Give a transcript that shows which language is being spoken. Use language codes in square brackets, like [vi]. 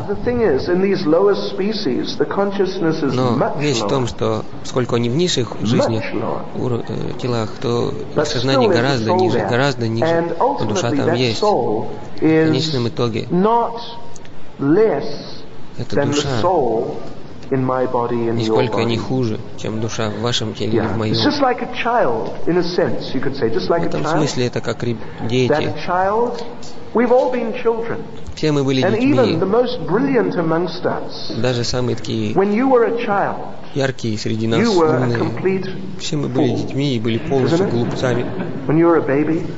[en] But the thing is, in these lower species, the consciousness is much lower. [ru] Но вещь в том, что сколько они в низших жизнях, телах, то сознание гораздо ниже, гораздо ниже. Но душа там есть. В конечном итоге, эта душа нисколько не хуже, чем душа в вашем теле или в моем. [en] It's just like a child, in a sense, you could say, just like a child. [ru] В этом смысле это как дети. [en] That child, we've all been children. [ru] Все мы были детьми. [en] And even the most brilliant amongst us. [ru] Даже самые такие. [en] When you were a child. [ru] Яркие среди нас, умные. Все мы были детьми и были полностью глупцами. [en] When you were a baby.